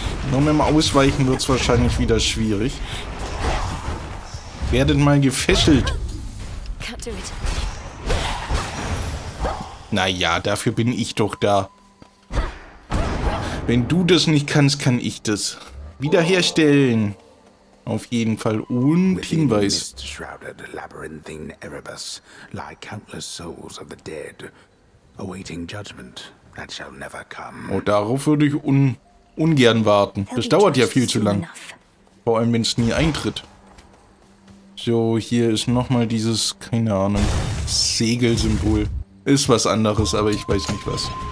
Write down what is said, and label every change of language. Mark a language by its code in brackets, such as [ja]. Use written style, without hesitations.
[de] Nur mit dem Ausweichen wird's wahrscheinlich wieder schwierig. Werdet mal gefesselt. Naja, dafür bin ich doch da. Wenn du das nicht kannst, kann ich das wiederherstellen. Auf jeden Fall. Und Hinweis. [en] Shrouded labyrinthine Erebus lie countless souls of the dead, awaiting judgment that shall never come. [de] Oh, darauf würde ich ungern warten. Das dauert ja viel zu lang. Vor allem, wenn es nie eintritt. So, hier ist nochmal dieses, keine Ahnung, Segelsymbol. Ist was anderes, aber ich weiß nicht was.